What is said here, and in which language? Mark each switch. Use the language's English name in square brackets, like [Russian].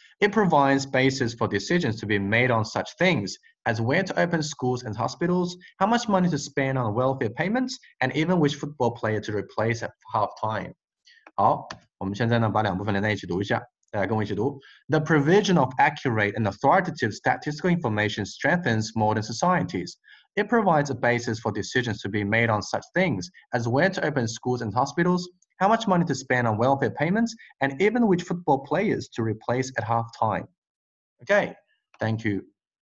[English] It provides basis for decisions to be made on such things as where to open schools and hospitals, how much money to spend on welfare payments, and even which football player to replace at half time. [Chinese] 好，我们现在呢把两部分连在一起读一下，大家跟我一起读。 [English] The provision of accurate and authoritative statistical information strengthens modern societies. It provides a basis for decisions to be made on such things as where to open schools and hospitals. How much money to spend on welfare payments and even which football players to replace at half time? Okay, thank you.